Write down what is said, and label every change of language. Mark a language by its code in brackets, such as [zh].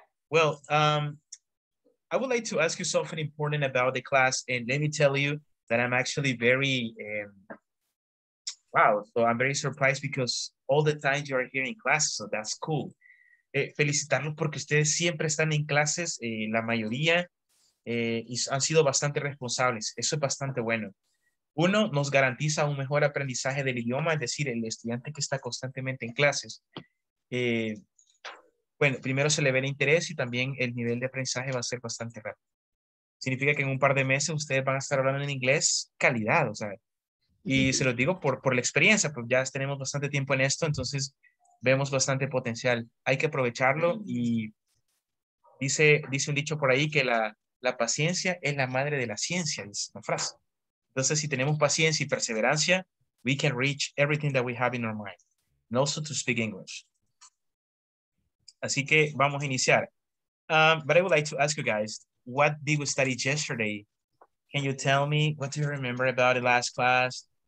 [en] Well, I would like to ask you something important about the class, and let me tell you that I'm actually very I'm very surprised because all the time you are here in classes, so that's cool. [es] Felicitarlos porque ustedes siempre están en clases, la mayoría, y han sido bastante responsables. Eso es bastante bueno. Uno, nos garantiza un mejor aprendizaje del idioma, es decir, el estudiante que está constantemente en clases. Bueno, primero se le ve el interés y también el nivel de aprendizaje va a ser bastante rápido. Significa que en un par de meses ustedes van a estar hablando en inglés calidad, o sea, y se los digo por la experiencia, pues ya tenemos bastante tiempo en esto, entonces vemos bastante potencial. Hay que aprovecharlo y dice un dicho por ahí que la paciencia es la madre de la ciencia, es una frase. Entonces, si tenemos paciencia y perseverancia, [en] we can reach everything that we have in our mind. And also to speak English. [es] Así que vamos a iniciar. [en] But I would like to ask you guys, what did we study yesterday? Can you tell me what do you remember about the last class?